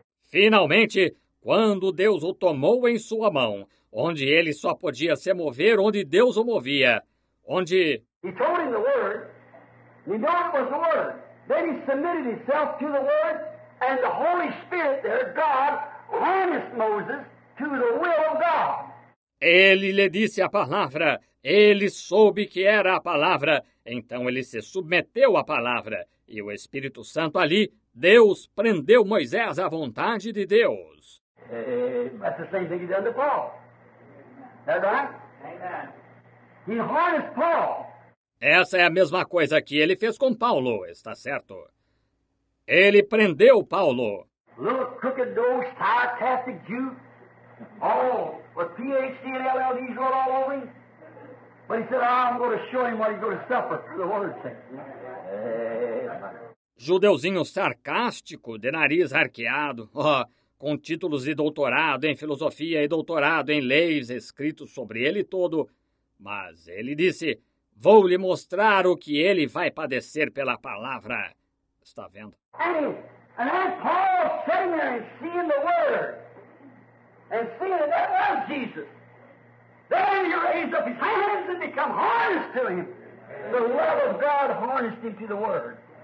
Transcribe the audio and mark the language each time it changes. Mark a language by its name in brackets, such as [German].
[Portuguese] Finalmente, quando Deus o tomou em sua mão, onde ele só podia se mover onde Deus o movia, onde... [English] He told him the word. He knew it was the word. Then he submitted himself to the word, and the Holy Spirit, their God, harnessed Moses to the will of God. [Portuguese] Ele lhe disse a palavra. Ele soube que era a palavra. Então ele se submeteu à palavra. E o Espírito Santo ali, Deus prendeu Moisés à vontade de Deus. [English] That's the same thing he did to Paul. That right? He harnessed Paul. [Portuguese] Essa é a mesma coisa que ele fez com Paulo, está certo? Ele prendeu Paulo. [English] Little crooked nose, sarcastic Jew, all with PhD and LLDs wrote all over him. But he said, oh, I'm going to show him what he's going to suffer for the word's sake. [Portuguese] Judeuzinho sarcástico, de nariz arqueado, com títulos de doutorado em filosofia e doutorado em leis escritos sobre ele todo. Mas ele disse, vou lhe mostrar o que ele vai padecer pela palavra. Está vendo? [English] And I'm Paul sitting there and seeing the word. And seeing that was Jesus. Then he raised up his hands and become harnessed to him. The love of God harnessed him to the word.